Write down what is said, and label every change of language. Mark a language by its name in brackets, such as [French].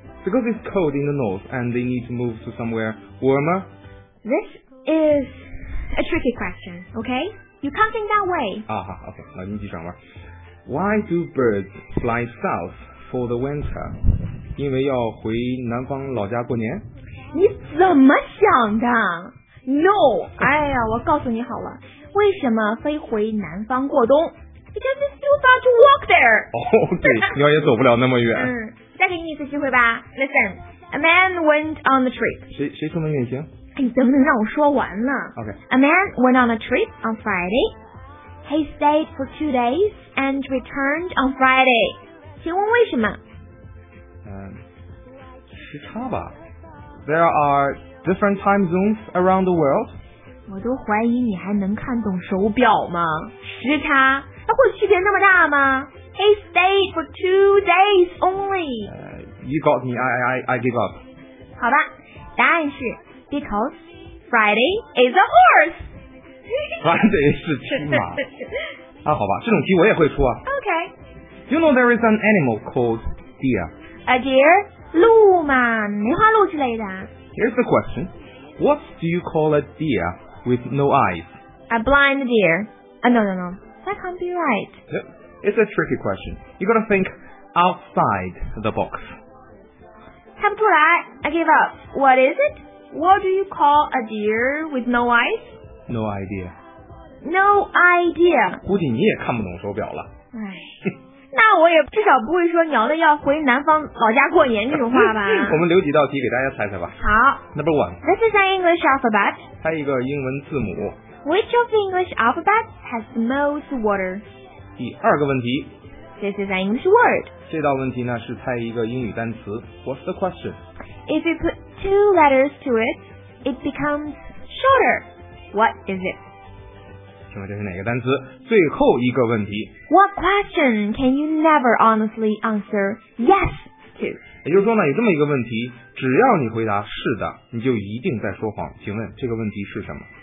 [English] Because it's cold in the north and they need to move to somewhere warmer. This is a tricky question, okay? You can't think that way. [Chinese] Okay, 那你继续转弯。 [English] Why do birds fly south for the winter? [Chinese] 因为要回南方老家过年。你怎么想的 ？No， 哎呀，我告诉你好了，为什么飞回南方过冬 ？ [English] Because it's too far to walk there。 [Chinese] 对，鸟也走不了那么远。再给你一次机会吧。 [English] Listen， a man went on a trip。 [Chinese] 谁说能远行？哎，你能不能让我说完呢 [English] ？OK。 A man went on a trip on Friday. He stayed for 2 days and returned on Friday. [Chinese] 请问为什么？时差吧。 [English] There are different time zones around the world. [Chinese] 我都怀疑你还能看懂手表吗？时差，它会区别那么大吗？ [English] He stayed for 2 days only. You got me. I give up. [Chinese] 好吧，答案是 [English] because Friday is a horse. [Chinese] Friday 是骑马。啊，好吧，这种题我也会出啊。 [English] Okay. You know there is an animal called deer. A deer. [Chinese] 鹿嘛，梅花鹿之类的。 [English] Here's the question. What do you call a deer with no eyes? A blind deer. No. That can't be right. It's a tricky question. You gotta think outside the box. [Chinese] 猜不出来 [English] I give up. What is it? What do you call a deer with no eyes? No idea. No idea. [Chinese] 估计你也看不懂手表了。那我也至少不会说鸟的要回南方老家过年这种话吧。我们留几道题给大家猜猜吧。好。 [English] Number one. This is an English alphabet. [Chinese] 猜一个英文字母。 [English] Which of the English alphabets has the most water? [Chinese] 第二个问题。 [English] This is an English word. [Chinese] 这道问题呢是猜一个英语单词。 [English] What's the question? If you put two letters to it, it becomes shorter. What is it? [Chinese] 请问这是哪个单词？最后一个问题。 [English] What question can you never honestly answer yes to? [Chinese] 也就是说呢，有这么一个问题，只要你回答是的，你就一定在说谎。请问这个问题是什么？